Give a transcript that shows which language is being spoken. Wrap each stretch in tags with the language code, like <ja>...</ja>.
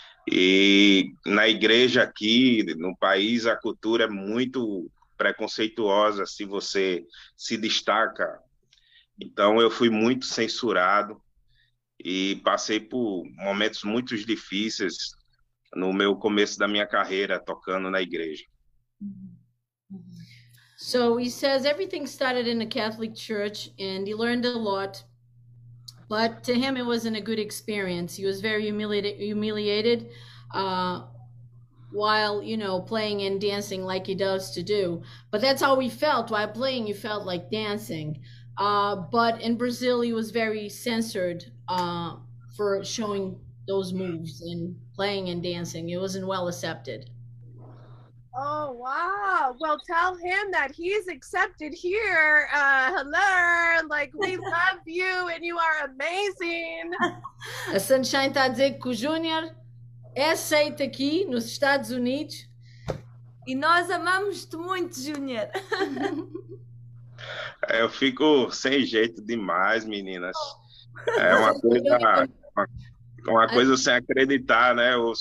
<pt>E na igreja aqui, no país, a cultura é muito preconceituosa se você se destaca. Então, eu fui muito censurado e passei por momentos muito difíceis no meu começo da minha carreira, tocando na igreja.</pt> <en>So he says everything started in a Catholic church and he learned a lot, but to him it wasn't a good experience. He was very humiliated while, you know, playing and dancing like he does to do. But that's how he felt. While playing, he felt like dancing. But in Brazil, he was very censored for showing those moves and playing and dancing. It wasn't well accepted. Oh, wow. Well, tell him that he's accepted here. Hello. Like, we love you and you are amazing.</en> <pt>A Sunshine está a dizer que o Júnior é aceito aqui nos Estados Unidos. E nós amamos-te muito, Júnior. Eu fico sem jeito demais, meninas. É uma coisa sem acreditar, né?</pt>